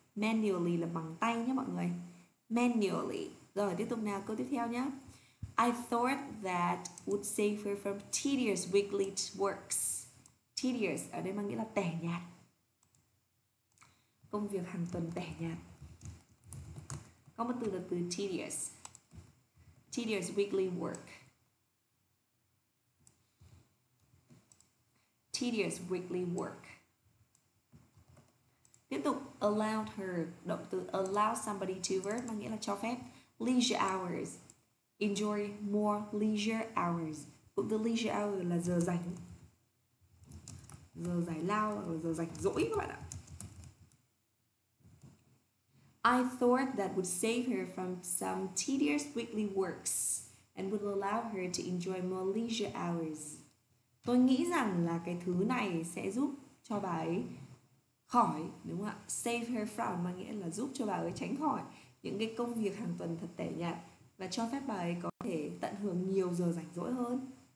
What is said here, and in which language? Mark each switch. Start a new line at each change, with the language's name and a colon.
Vietnamese: Manually là bằng tay nhé mọi người. Manually. Rồi, tiếp tục nào, câu tiếp theo nhá.
English: I thought that would save her from tedious weekly works.
Vietnamese: Tedious, ở đây mang nghĩa là tẻ nhạt. Công việc hàng tuần tẻ nhạt. Có một từ là từ tedious.
English: Tedious weekly work. Tedious weekly work.
Vietnamese: Tiếp tục,
English: allowed her.
Vietnamese: Động từ allow somebody to work mang nghĩa là cho phép.
English: Leisure hours. Enjoy more leisure hours.
Vietnamese: Cụm từ leisure hours là giờ rảnh. Giờ giải lao hoặc là giờ rảnh rỗi các bạn ạ.
English: I thought that would save her from some tedious weekly works and would allow her to enjoy more leisure hours.
Vietnamese: Tôi nghĩ rằng là cái thứ này sẽ giúp cho bà ấy khỏi, đúng không ạ?
English: Save her from
Vietnamese: mà nghĩa là giúp cho bà ấy tránh khỏi những cái công việc hàng tuần thật tẻ nhạt và cho phép bà ấy có thể tận hưởng nhiều giờ rảnh rỗi hơn.